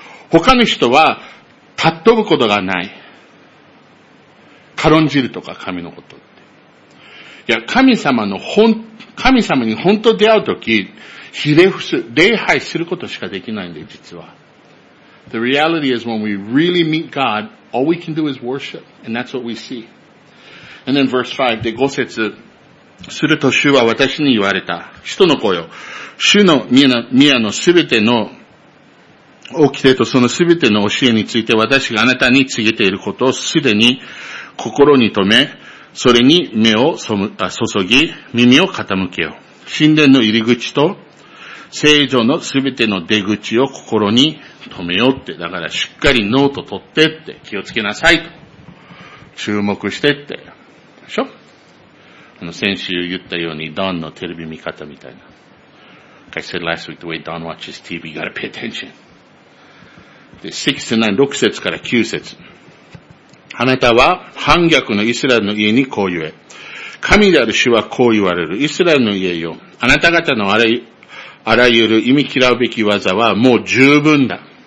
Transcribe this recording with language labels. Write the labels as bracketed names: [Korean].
[Japanese] 他の人は、たっ飛ぶことがない。軽んじるとか、神のこと。いや、神様に本当出会うとき、ひれ伏す、礼拝することしかできないんで、実は。 [English] The reality is when we really meet God, all we can do is worship, and that's what we see. And then verse 5, [Japanese] で5節、すると主は私に言われた。人の子よ。主の宮のすべての掟とそのすべての教えについて私があなたに告げていることをすでに心に留め、それに目を注ぎ、耳を傾けよ。神殿の入り口と聖所のすべての出口を心に留めようって。だからしっかりノート取ってって、気をつけなさいと。注目してって。でしょ？先週言ったように、ドンのテレビ見方みたいな。 [English] Like I said last week, the way Don watches TV, you gotta pay attention. [Japanese] で、6と9、6節から9節。あなたは反逆のイスラエルの家にこう言え。神である主はこう言われる。イスラエルの家よ。あなた方のあらゆる忌み嫌うべき技はもう十分だ。